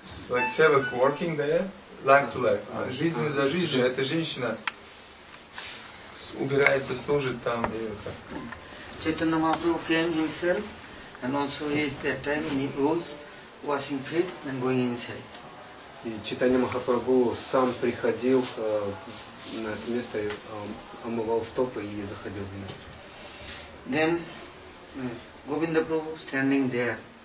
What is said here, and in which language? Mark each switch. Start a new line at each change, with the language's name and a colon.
English: Like Sevak working there, life to life.
Russian: Жизнь за жизнь, эта женщина убирается, служит там.
English: Chaitanya Mahaprabhu came himself, and also he is that time, he goes washing feet and going inside.
Russian: И Chaitanya Mahaprabhu сам приходил на это место, омывал стопы и заходил в него.
English: Then Govinda Prabhu standing there.